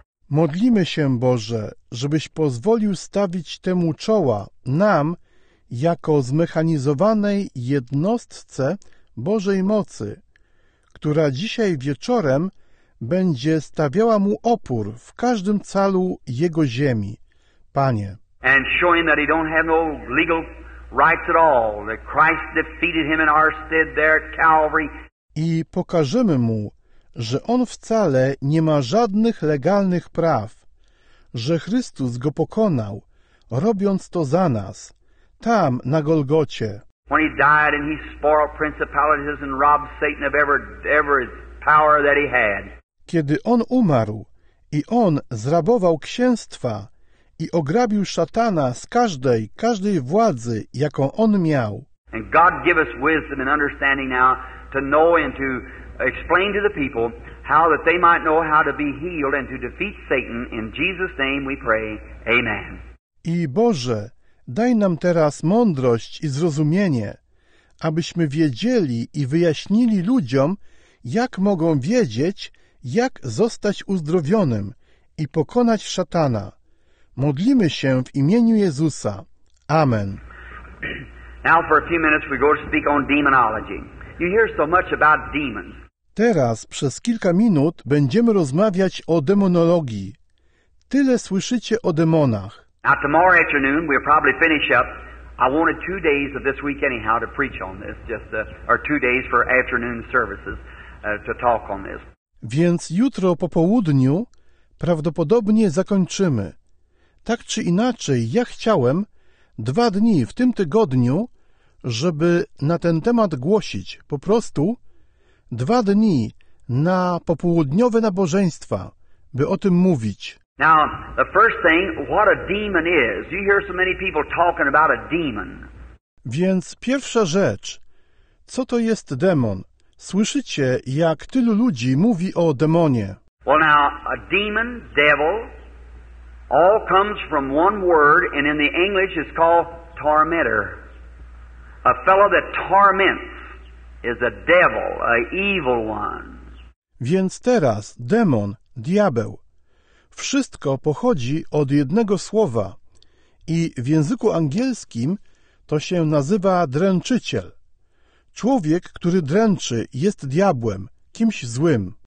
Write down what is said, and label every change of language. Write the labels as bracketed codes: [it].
[pl] Modlimy się, Boże, żebyś pozwolił stawić temu czoła nam, jako zmechanizowanej jednostce Bożej mocy, która dzisiaj wieczorem będzie stawiała mu opór w każdym calu jego ziemi, Panie. [en] And showing that he don't have no legal rights at all, that Christ defeated him in our stead there at Calvary. [pl] I pokażemy mu, że on wcale nie ma żadnych legalnych praw, że Chrystus go pokonał, robiąc to za nas. Tam, na Golgocie. [en] When he died and he spoiled principalities and robbed Satan of every power that he had. [pl] Kiedy on umarł i on zrabował księstwa i ograbił szatana z każdej władzy, jaką on miał. [en] And God give us wisdom and understanding now to know and to explain to the people how that they might know how to be healed and to defeat Satan. In Jesus' name we pray. Amen. [pl] I Boże, daj nam teraz mądrość i zrozumienie, abyśmy wiedzieli i wyjaśnili ludziom, jak mogą wiedzieć, jak zostać uzdrowionym i pokonać szatana. Modlimy się w imieniu Jezusa. Amen. [en] Now for a few minutes we go to speak on demonology. You hear so much about demons. [pl] Teraz przez kilka minut będziemy rozmawiać o demonologii. Tyle słyszycie o demonach. [en] Now tomorrow afternoon we'll probably finish up. I wanted 2 days of this week anyhow to preach on this, or 2 days for afternoon services to talk on this. [pl] Więc jutro po południu prawdopodobnie zakończymy. Tak czy inaczej, ja chciałem 2 dni w tym tygodniu, żeby na ten temat głosić. Po prostu 2 dni na popołudniowe nabożeństwa, by o tym mówić. [en] Now, the first thing, what a demon is. You hear so many people talking about a demon. [pl] Więc pierwsza rzecz, co to jest demon? Słyszycie, jak tylu ludzi mówi o demonie. [en] Well now, a demon, devil, all comes from one word, and in the English it's called tormentor. A fellow that torments is a devil, a evil one. [pl] Więc teraz, demon, diabeł. Wszystko pochodzi od jednego słowa i w języku angielskim to się nazywa dręczyciel. Człowiek, który dręczy, jest diabłem, kimś złym.